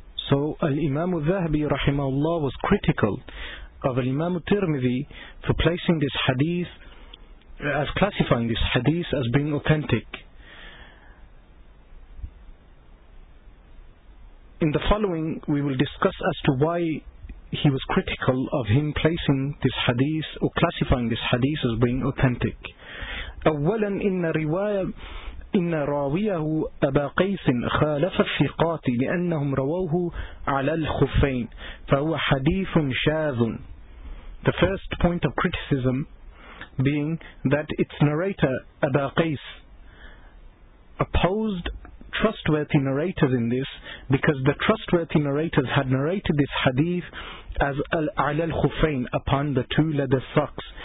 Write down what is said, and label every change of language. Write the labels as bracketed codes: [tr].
[en] So Al-Imam al-Zahabi rahimahullah was critical of Al-Imam al-Tirmidhi for placing this hadith, as classifying this hadith as being authentic. In the following, we will discuss as to why he was critical of him placing this hadith or classifying this hadith as being authentic. [ar] أولا إن رواية إن راويه أبا قيس خالف الثقات لأنهم رووه على الخفين فهو حديث شاذ. [en] The first point of criticism being that its narrator Aba Qais opposed trustworthy narrators in this, because the trustworthy narrators had narrated this hadith as al al-khufayn, upon the two leather socks.